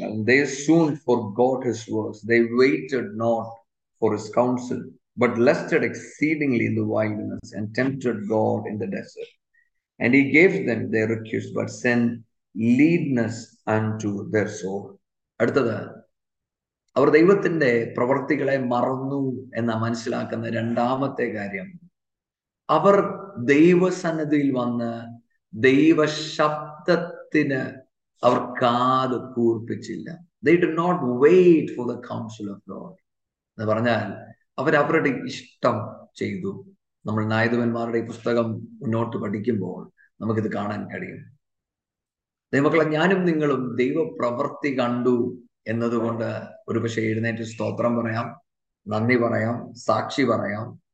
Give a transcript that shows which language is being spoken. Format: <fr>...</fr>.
<en>They soon forgot his words. They waited not for his counsel, but lusted exceedingly in the wilderness and tempted God in the desert. And he gave them their request, but sent leanness unto their soul.</en> <ml>അടുത്തത് അവർ ദൈവത്തിന്റെ പ്രവൃത്തികളെ മറന്നു എന്ന മനസ്സിലാക്കുന്ന രണ്ടാമത്തെ കാര്യം, അവർ ദൈവസന്നിധിയിൽ വന്ന് ദൈവശബ്ദത്തിന് അവർ കാത് കൂർപ്പിച്ചില്ല.</ml> <en>They did not wait for the counsel of God.</en> <ml>എന്ന് പറഞ്ഞാൽ അവരവരുടെ ഇഷ്ടം ചെയ്തു. നമ്മൾ നായകന്മാരുടെ പുസ്തകം മുന്നോട്ട് പഠിക്കുമ്പോൾ നമുക്കിത് കാണാൻ കഴിയും. ദൈവമക്കളെ, ഞാനും നിങ്ങളും ദൈവപ്രവൃത്തി കണ്ടു എന്നതുകൊണ്ട് ഒരുപക്ഷെ എഴുന്നേറ്റ് സ്തോത്രം പറയാം, നന്ദി പറയാം, സാക്ഷി പറയാം.</ml>